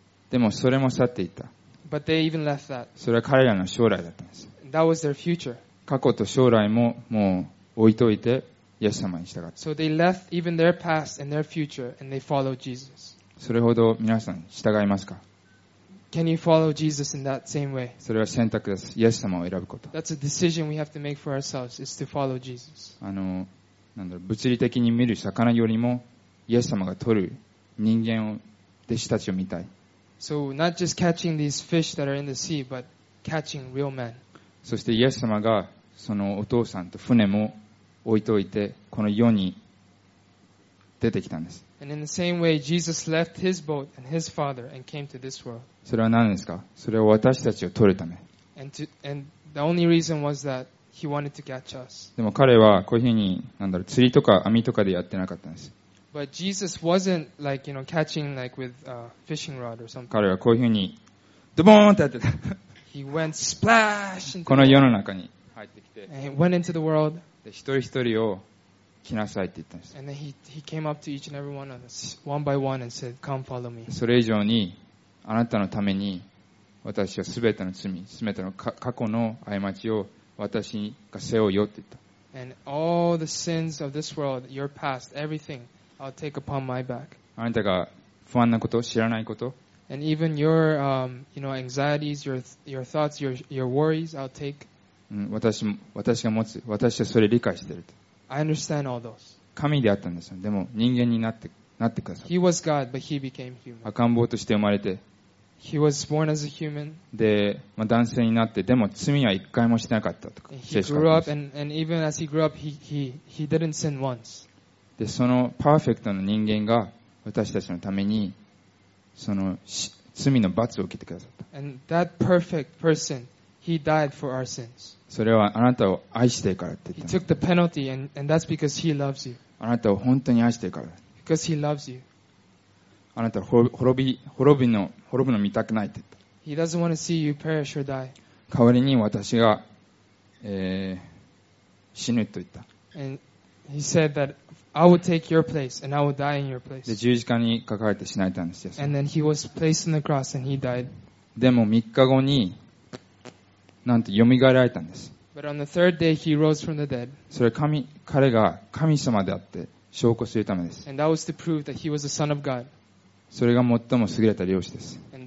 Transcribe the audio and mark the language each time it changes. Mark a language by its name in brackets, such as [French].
[Japanese] でもそれも去っていった。 [English] But they even left that. [Japanese] それは彼らの将来だったんです。 [English] That was their future. [Japanese] 過去と将来ももう置いといて、イエス様に従った。 [English] So they left even their past and their future and they followed Jesus. [Japanese] それほど皆さん従いますか? [English] Can you follow Jesus in that same way? [Japanese] それは選択です。イエス様を選ぶこと。 [English] That's a decision we have to make for ourselves, is to follow Jesus. [Japanese] なんだろう、物理的に見る魚よりも、イエス様が取る人間を、弟子たちを見たい。 [English] So, not just catching these fish that are in the sea, but catching real men. [Japanese] そしてイエス様が、そのお父さんと船も置いといて、この世に出てきたんです。 [English] And in the same way, Jesus left his boat and his father and came to this world. [Japanese] それは何ですか? それは私たちを取るため。 [English] And the only reason was that He wanted to catch us. [Japanese] でも彼はこういうふうに、なんだろう、釣りとか網とかでやってなかったんです。 [English] But Jesus wasn't like, you know, catching like with a fishing rod or something. [Japanese] 彼はこういうふうに、ドボーンってやってた。 [English] He went splash! [Japanese] この世の中に入ってきて。 [English] And he went into the world. [Japanese] で、一人一人を来なさいって言ったんです。 [English] And then he came up to each and every one of us, one by one, and said, come follow me. [Japanese] それ以上に、あなたのために、私はすべての罪、すべての過去の過ちを私が背負うよって言った。 [English] And all the sins of this world, your past, everything, I'll take upon my back. [Japanese] あなたが不安なこと、知らないこと。 [English] And even your, you know, anxieties, your thoughts, your worries, I'll take. [Japanese] 私が持つ。私はそれ理解してると。 [English] I understand all those. [Japanese] 神であったんですよ。でも人間になってください。 [English] He was God, but he became human. [Japanese] 赤ん坊として生まれて。 [English] He was born as a human. [Japanese] で、まあ、男性になって、でも罪は一回もしてなかったとか。 [English] He grew up and even as he grew up, he didn't sin once. [Japanese] で、そのパーフェクトな人間が私たちのために、その罪の罰を受けてくださった。 [English] And that perfect person, he died for our sins. [Japanese] それはあなたを愛してるからって言った。 [English] He took the penalty and that's because he loves you. [Japanese] あなたを本当に愛してるから。 [English] Because he loves you. [Japanese] あなたは滅ぶの見たくないって言った。 [English] He doesn't want to see you perish or die. [Japanese] 代わりに私が、死ぬと言った。 [English] And he said that I would take your place and I would die in your place. [Japanese] で、十字架に書かれて死なれたんです。 [English] And then he was placed on the cross and he died. [Japanese] でも3日後に、なんと蘇られたんです。 [English] But on the third day he rose from the dead. [Japanese] それは彼が神様であって証拠するためです。 [English] And that was to prove that he was the son of God. [Japanese] それが最も優れた漁師です。